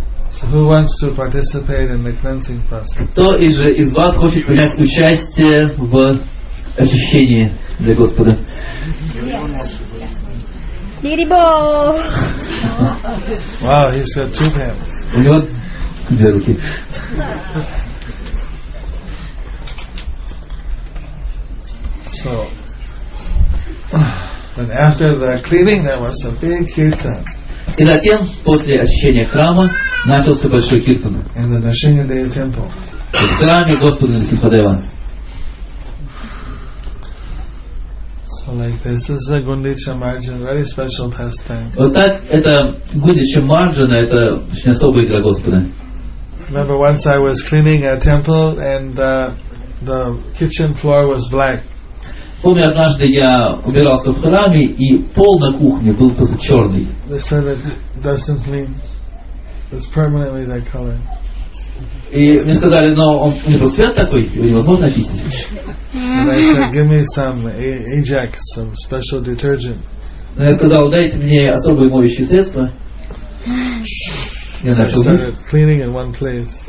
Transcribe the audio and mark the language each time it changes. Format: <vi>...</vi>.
<en>So who wants to participate in the cleansing process?</en> <ru>Кто из вас хочет принять участие в очищении для Господа? Лирибо.</ru> <en>Wow, he's got two hands.</en> <ru>У него две руки.</ru> <en>So, then after the cleaning, there was a big kirtan.</en> <ru>И затем, после очищения храма, начался большой киртан.</ru> <en>In the Nrsimhadeva temple.</en> <ru>В храме Господа Нрсимхадева.</ru> <en>So like this, this is a Гундича Марджан, very special pastime.</en> <ru>Вот так, это Гундича Марджан, это очень особая игра Господа.</ru> <en>Remember once I was cleaning a temple and the kitchen floor was black.</en> <ru>Помню, однажды я убирался в храме, и пол на кухне был просто черный.</ru> <en>They said it doesn't mean it's permanently that color.</en> <ru>И мне сказали, но он у него цвет такой, его невозможно очистить.</ru> <en>And I said, give me some Ajax, some special detergent.</en> <ru>Но я сказал, дайте мне особые моющие средства. Я начал</ru> <en>started cleaning in one place.</en>